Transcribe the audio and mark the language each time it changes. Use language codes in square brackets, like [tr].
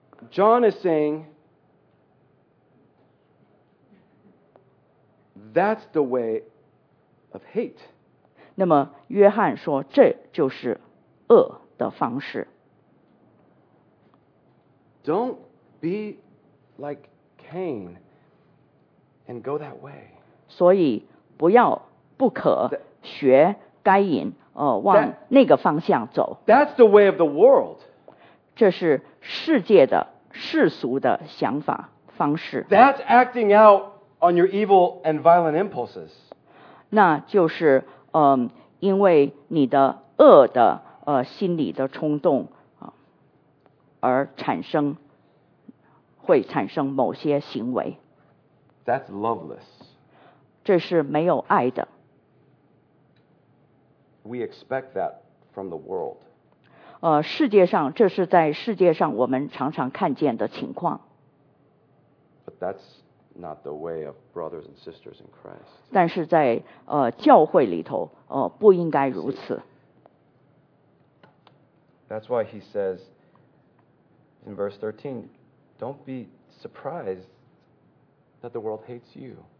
[en] John is saying, that's the way of hate. [zh] 那么约翰说这就是恶的方式。 [en] Don't be like,Pain and go that way. [zh] 所以不要不可学该隐往那个方向走。 [en] That's the way of the world. [zh] 这是世界的世俗的想法方式。 [en] That's acting out on your evil and violent impulses. [zh] 那就是因为你的恶的心理的冲动而产生。会产生某些行为。 [en] That's loveless. [zh] 这是没有爱的。 [en] We expect that from the world. [zh] 世界上，这是在世界上我们常常看见的情况。 [en] But that's not the way of brothers and sisters in Christ. [zh] 但是在教会里头，不应该如此。 [en] That's why he says in verse 13. Don't be surprised that the world hates you.